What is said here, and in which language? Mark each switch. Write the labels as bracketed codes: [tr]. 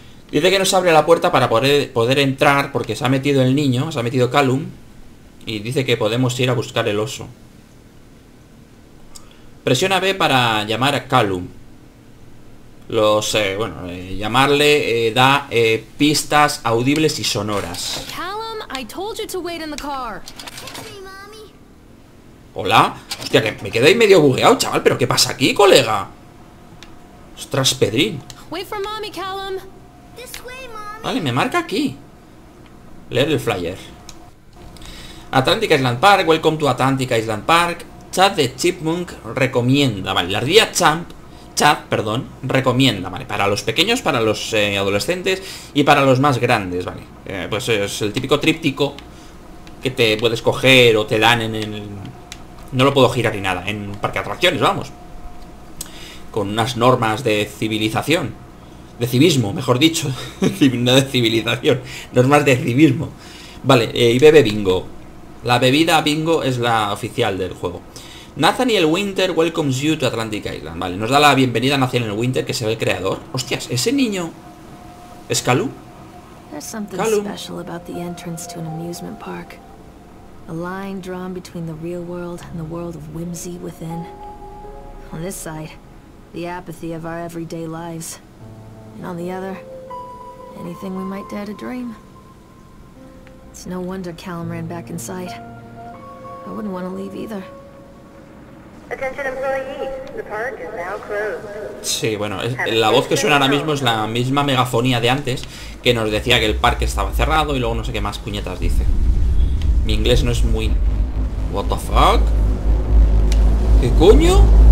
[es] Dice que nos abre la puerta para poder entrar, porque se ha metido el niño, se ha metido Callum. Y dice que podemos ir a buscar el oso. Presiona B para llamar a Callum. Lo sé, bueno, llamarle da pistas audibles y sonoras. [en] Callum, I told you to wait in the car. [es] ¿Hola? Hostia, que me quedé ahí medio bugueado, chaval. ¿Pero qué pasa aquí, colega? Ostras, Pedrín. [en] Wait for mommy, Callum. [es] Vale, me marca aquí. Leer el flyer. [en] Atlantic Island Park, welcome to Atlantic Island Park. [es] Chat de Chipmunk recomienda. Vale, la ardilla Champ. Chat, perdón, recomienda, vale. Para los pequeños, para los adolescentes y para los más grandes, vale. Pues es el típico tríptico que te puedes coger o te dan en el. No lo puedo girar ni nada. En parque de atracciones, vamos. Con unas normas de civilización. De civismo, mejor dicho. No de civilización. Normas de civismo. Vale, y bebe bingo. La bebida bingo es la oficial del juego. [en] Nathaniel Winter welcomes you to Atlantic Island. [es] Vale, nos da la bienvenida a Nathaniel Winter, que se ve el creador. Hostias, ese niño. ¿Es Callum? [en] There's something Callum. Special about the entrance to an amusement park. A line drawn between the real world and the world of whimsy within. On this side, the apathy of our everyday lives. And on the other, anything we might dare to dream. It's no wonder Callum ran back inside. I wouldn't want to leave either. Attention employees, the park is now closed. [es] Sí, bueno, la voz que suena ahora mismo es la misma megafonía de antes, que nos decía que el parque estaba cerrado y luego no sé qué más puñetas dice. Mi inglés no es muy... [en] What the fuck? [es] ¿Qué coño?